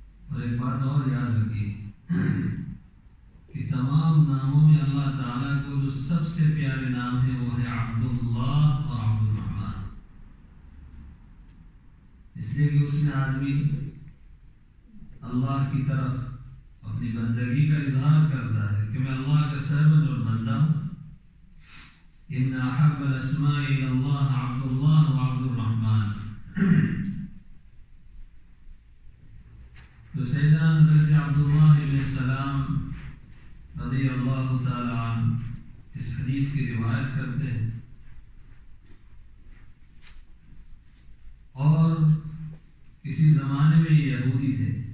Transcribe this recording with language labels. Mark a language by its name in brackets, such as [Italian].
[Urdu] اور ایک بات اور یاد رکھی کہ تمام ناموں میں اللہ تعالیٰ کو جو سب سے پیارے نام ہے وہ ہے عبداللہ اور عبدالرحمن. اس لیے کہ اس نے آدمی اللہ کی طرف اپنی بندگی کا اظہار کرتا ہے کہ میں اللہ کا سرمد اور بندہ ہوں. [Arabic] ان احب الاسماء الى الله عبد الله وعبد الرحمن. [Urdu] تو سیدنا حضرت عبد الله علیہ السلام رضی اللہ تعالی عنہ اس حدیث کی روایت کرتے ہیں اور کسی زمانے میں یہودی تھے.